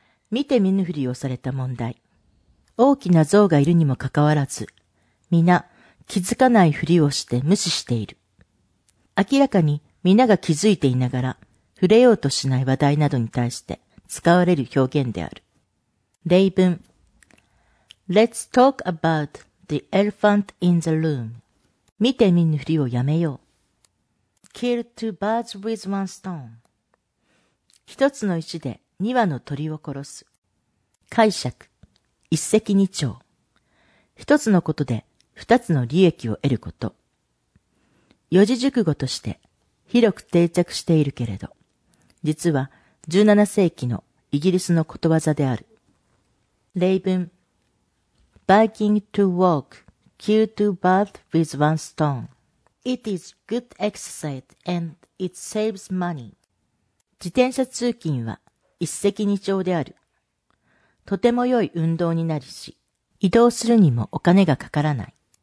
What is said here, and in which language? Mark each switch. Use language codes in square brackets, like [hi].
[ja] 見て見ぬふりをされた問題。大きな象がいるにもかかわらず、みな、気づかないふりをして無視している。明らかに皆が気づいていながら触れようとしない話題などに対して使われる表現である。例文。 [en] Let's talk about the elephant in the room. [ja] 見て見ぬふりをやめよう。 [en] Kill two birds with one stone. [ja] 一つの石で二羽の鳥を殺す。解釈。一石二鳥。一つのことで二つの利益を得ること。四字熟語として広く定着しているけれど、実は17世紀のイギリスのことわざである。例文。 [en] Biking to walk, kill two birds with one stone. It is good exercise and it saves money. [ja] 自転車通勤は一石二鳥である。とても良い運動になるし、移動するにもお金がかからない。